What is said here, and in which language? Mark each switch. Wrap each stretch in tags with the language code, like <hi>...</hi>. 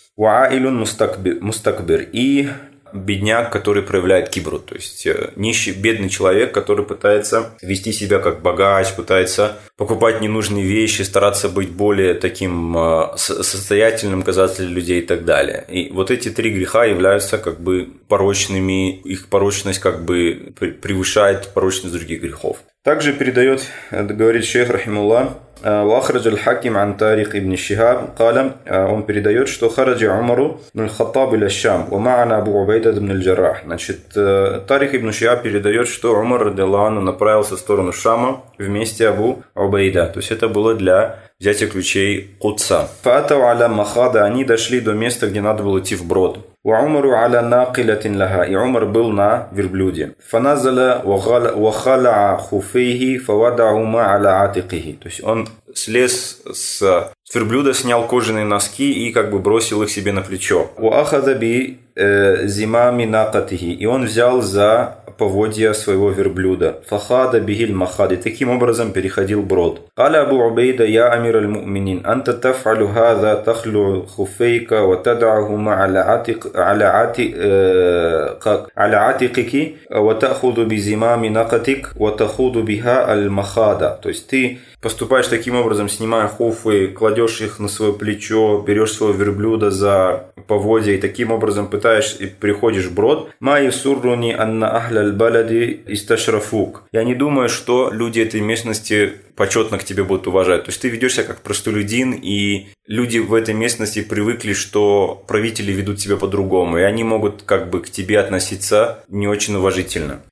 <ar>Ва'илюн мустакбир.</ar> <ru>И бедняк, который проявляет кибру, то есть нищий, бедный человек, который пытается вести себя как богач, пытается покупать ненужные вещи, стараться быть более таким состоятельным, казаться для людей и так далее. И вот эти три греха являются как бы порочными, их порочность как бы превышает порочность других грехов. Также передает, говорит шейх рахимулла,</ru> <ar>وخرج الحاكم عن طارق ابن شهاب قال</ar> <ru>он передает, что</ru> <ar>خرج عمر بن الخطاب الى الشام ومعنا ابو عبيده بن الجراح.</ar> <ru>Значит, Тарих ибн Шиаб передает, что Умар радиллаху анху направился в сторону Шама вместе с Абу Убайда, то есть это было для взятия ключей Кутса.</ru> <ar>فاتوا على مخاض,</ar> <ru>они дошли до места, где надо было идти вброд.</ru> <ar>وعمر على ناقلة لها,</ar> <ru>и Умар был на верблюде.</ru> <ar>فنزل وخلع خفيه فوضعهما على عاتقه,</ar> <ru>то есть он слез с верблюда, снял кожаные носки и как бы бросил их себе на плечо.</ru> <ar>وأخذ بزمام ناقته,</ar> <ru>и он взял за поводья своего верблюда.</ru> <ar>فخاض به المخاض,</ar> <ru>таким образом переходил брод.</ru> <ar>قال أبو عبيدة يا أمير المؤمنين أنت تفعل هذا تخلع خفيك وتضعهما على عاتق على عاتقك على عاتقك وتأخذ بزمام ناقتك وتخوض بها المخاض.</ar> <ru>То есть ты поступаешь таким образом, снимая хуфы, кладешь их на свое плечо, берешь своего верблюда за поводья и таким образом пытаешь и приходишь в брод.</ru> <ar>Май суррони анна ахля аль-балади исташрафук.</ar> <ru>Я не думаю, что люди этой местности почетно к тебе будут уважать. То есть ты ведешь себя как простолюдин, и люди в этой местности привыкли, что правители ведут себя по-другому, и они могут как бы к тебе относиться не очень уважительно.</ru>